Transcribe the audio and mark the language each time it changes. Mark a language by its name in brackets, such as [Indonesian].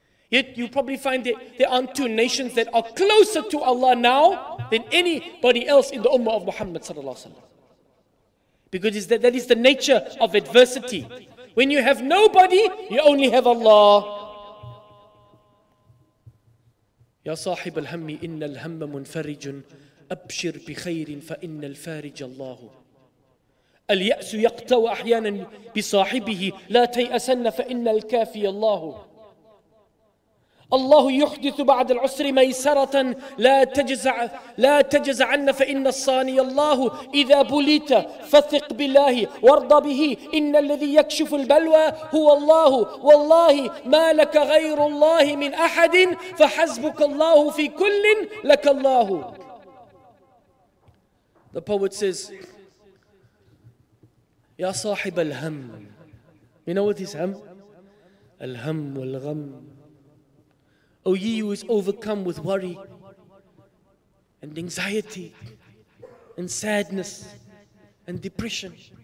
[English] Yet you probably find that there aren't two nations that are closer to Allah now than anybody else in the Ummah of Muhammad sallallahu alaihi wasallam. Because that is the nature of adversity. When you have nobody, you only have Allah. [Arabic] يا صاحب الهم إن الهم منفرج أبشر بخير فإن الفارج الله اليأس يقتوى أحيانا بصاحبه لا تيأسن فإن الكافي الله الله يحدث بعد العسر ميسرة لا تجزعن فإن الصاني الله إذا بليت فثق بالله وارض به إن الذي يكشف البلوى هو الله والله ما لك غير الله من أحد فحسبك الله في كل لك الله. [English] The poet says, [Arabic] يا صاحب الهم. [English] You know what is هم? [Arabic] الهم والغم. [English] O ye who is overcome with worry and anxiety and sadness and depression.